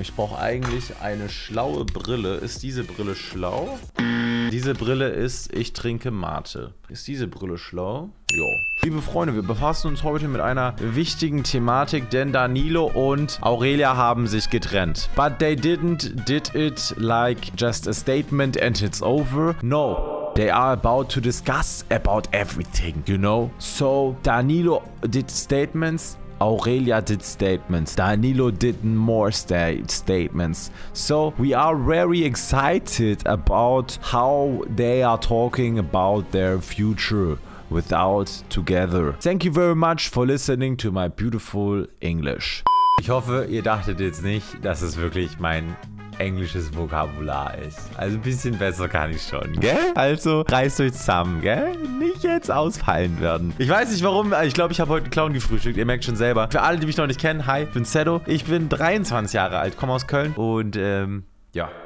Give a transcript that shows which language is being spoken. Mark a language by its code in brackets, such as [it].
[de] Ich brauche eigentlich eine schlaue Brille. Ist diese Brille schlau? Diese Brille ist, ich trinke Mate. Ist diese Brille schlau? Jo. Liebe Freunde, wir befassen uns heute mit einer wichtigen Thematik, denn Danilo und Aurelia haben sich getrennt. [en] But they didn't did it like just a statement and it's over. No. They are about to discuss about everything, you know? So, Danilo did statements. Aurelia did statements. Danilo did more statements. So we are very excited about how they are talking about their future without together. Thank you very much for listening to my beautiful English. [de] Ich hoffe, ihr dachtet jetzt nicht, dass es wirklich mein englisches Vokabular ist. Also ein bisschen besser kann ich schon, gell? Also reißt euch zusammen, gell? Nicht jetzt ausfallen werden. Ich weiß nicht warum, ich glaube, ich habe heute einen Clown gefrühstückt. Ihr merkt schon selber. Für alle, die mich noch nicht kennen, hi, ich bin Zeddo. Ich bin 23 Jahre alt, komme aus Köln und ja.